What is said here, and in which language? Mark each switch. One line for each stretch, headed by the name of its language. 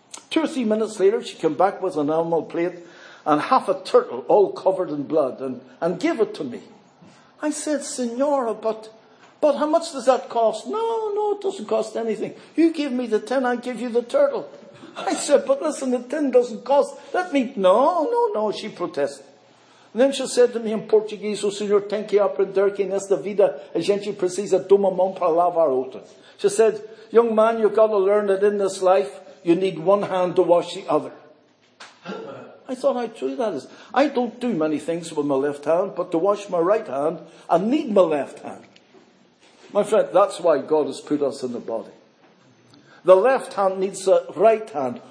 English: 2 or 3 minutes later, she came back with an animal plate and half a turtle, all covered in blood, and gave it to me. I said, Senora, but how much does that cost? No, it doesn't cost anything. You give me the tin, I give you the turtle. I said, but listen, the tin doesn't cost. Let me, no, she protested. And then she said to me in Portuguese, oh,
Portuguese: Senhor, tem que aprender que nesta vida a gente precisa de uma mão para lavar outra.
English: She said, young man, you've got to learn that in this life, you need one hand to wash the other. I thought how true that is. I don't do many things with my left hand, but to wash my right hand, I need my left hand. My friend, that's why God has put us in the body. The left hand needs the right hand.